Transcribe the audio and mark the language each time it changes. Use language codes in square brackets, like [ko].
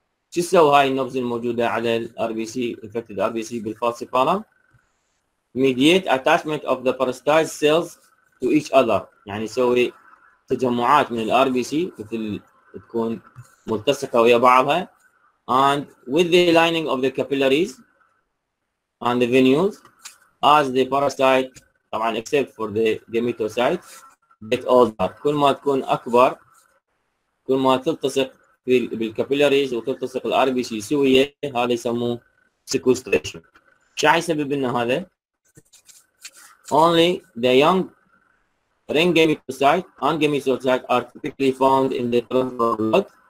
[ar] شو سوى هاي النوبز الموجودة على ال RBC, infected RBC بالفالسيبارم؟ mediate attachment of the parasitized cells to each other, يعني يسوي تجمعات من ال RBC مثل تكون ملتصقة ويا بعضها. [en] And with the lining of the capillaries and the venules, as the parasite, طبعا except for the gametocytes, get older. [ar] كل ما تكون أكبر, كل ما تلتصق بالكابيلاريز وتلتصق الـ RBC سوية, هذا يسموه sequestration. [en] شو حيسبب لنا هذا؟ Only the young ring gametocyte and gametocyte are typically found in the blood.